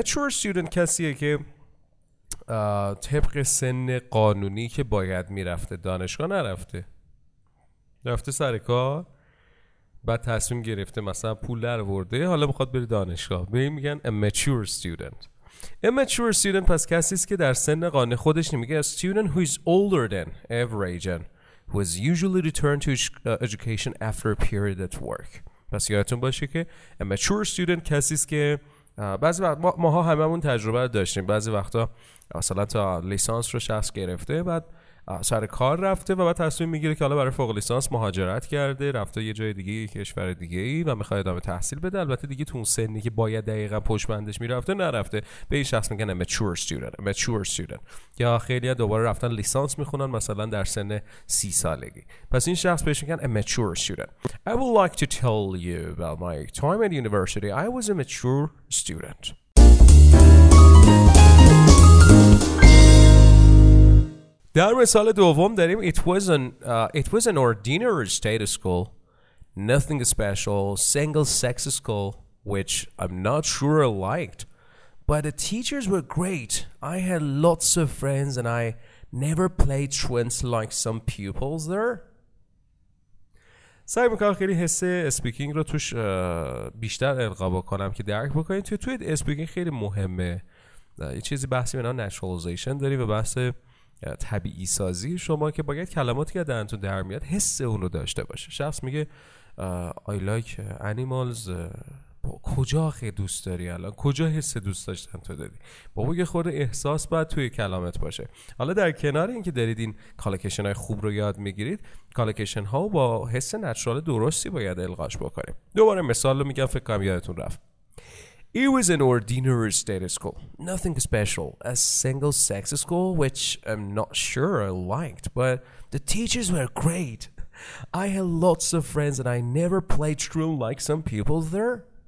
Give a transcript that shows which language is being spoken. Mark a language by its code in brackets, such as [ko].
[fa] Mature student کسیه که طبق سن قانونی که باید میرفته دانشگاه نرفته، رفته سر کار، بعد تصمیم گرفته مثلا پول در آورده، حالا میخواد بره دانشگاه. به این میگن a mature student. A mature student پس کسیست که در سن قانونی خودش نمیگه. [en] A student who is older than average and who has usually returned to education after a period at work. [fa] پس یادتون باشه که a mature student کسیست که بعضی وقت ماها هممون تجربه داشتیم، بعضی وقتا مثلا تا لیسانس رو شخص گرفته، بعد سر کار رفته و بعد تصمیم میگیره که حالا برای فوق لیسانس مهاجرت کرده، رفته یه جای دیگه، یه کشور دیگه ای و میخواد ادامه تحصیل بده. البته دیگه تو اون سنی که باید دقیقا پشت بندش میرفته نرفته، به این شخص میگن a mature student. یا خیلی ها دوباره رفتن لیسانس میخونن مثلا در سن 30 سالگی، پس این شخص بهش میگن a mature student. [en] I would like to tell you about my time at university. I was a mature student. در مثال دوم داریم it was an ordinary state school, nothing special, single sex school, which I'm not sure I liked, but the teachers were great. I had lots of friends and I never played truants like some pupils there. [fa] سعی میکنم خیلی حس اسپیکینگ رو توش بیشتر القا بکنم که درک بکنید. توی اسپیکینگ خیلی مهمه یه چیزی بحثی به نام naturalization داری و بحث طبیعی سازی شما، که باید کلماتی که دهنتون در میاد حس اون رو داشته باشه. شخص میگه I like animals. کجا خیلی دوست داری الان؟ کجا حس دوست داشتن تو داری؟ بابا یه خورده احساس باید توی کلامت باشه. حالا در کنار این که دارید این کالکشن های خوب رو یاد میگیرید، کالکشن ها با حس نترال درستی باید القاش بکنیم. دوباره مثال رو میگم، فکر کنم یادتون رفت. [en] It was an ordinary state school, nothing special, a single sex school, which I'm not sure I liked, but the teachers were great. I had lots of friends and I never played truant like some people there.